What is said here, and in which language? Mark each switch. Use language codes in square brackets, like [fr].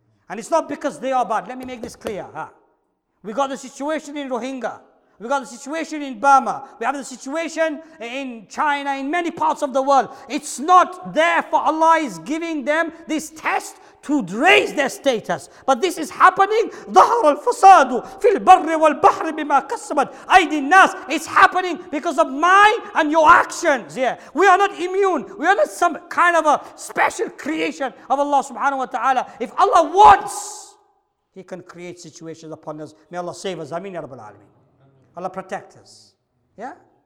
[en] And it's not because they are bad. Let me make this clear. Huh? We got the situation in Rohingya. We got the situation in Burma. We have the situation in China, in many parts of the world. It's not there for Allah is giving them this test to raise their status. But this is happening. [ar] ظهر الفساد في البر والبحر بما كسبت أيدي الناس. [en] It's happening because of my and your actions. Yeah. We are not immune. We are not some kind of a special creation of Allah subhanahu wa ta'ala. If Allah wants, He can create situations upon us. May Allah save us. Ameen Ya Rabbal Alameen. Allah protect us. Yeah?